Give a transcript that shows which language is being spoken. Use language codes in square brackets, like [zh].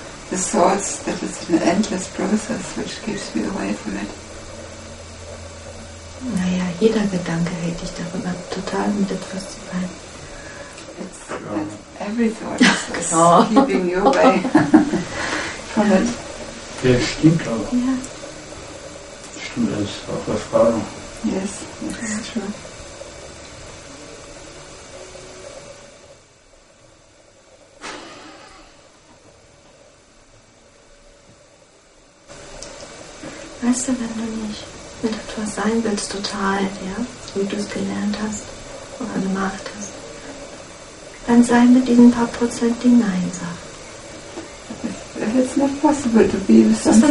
[en] The thoughts that it's an endless process which keeps me away from it. [de] Naja, jeder Gedanke hält dich davon ab, total mit etwas zu sein. [en] It's every thought is keeping you away from it. [de] Ja, stimmt auch. Ja. Stimmt, das ist auch Erfahrung. [en] Yes, that's true. [de] Weißt du, wenn du nicht mit etwas sein willst, total, ja, wie du es gelernt hast oder gemacht hast, dann sei mit diesen paar Prozent die Nein-Sache. [en] If it's not possible to be with something.